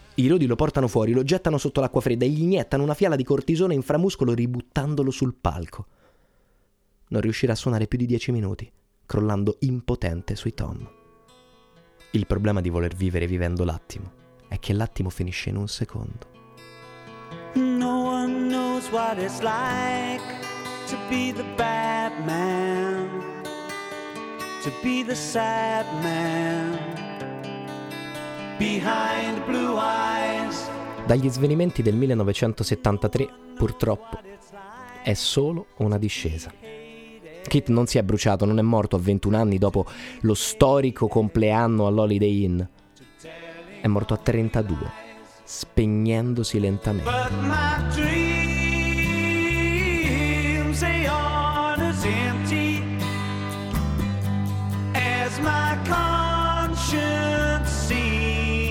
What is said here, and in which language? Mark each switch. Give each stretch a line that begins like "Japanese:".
Italian: I rodi lo portano fuori, lo gettano sotto l'acqua fredda e gli iniettano una fiala di cortisone inframuscolo ributtandolo sul palco. Non riuscirà a suonare più di 10 minuti, crollando impotente sui tom. Il problema di voler vivere vivendo l'attimo è che l'attimo finisce in un secondo.
English: No one knows what it's like to be the bad man, to be the sad man. Behind blue eyes.
Italian: Dagli svenimenti del 1973, purtroppo, è solo una discesa. Kit non si è bruciato, non è morto a 21 anni dopo lo storico compleanno all'Holiday Inn. È morto a 32, spegnendosi lentamente.
English: But my dreams, they are as empty as my conscience.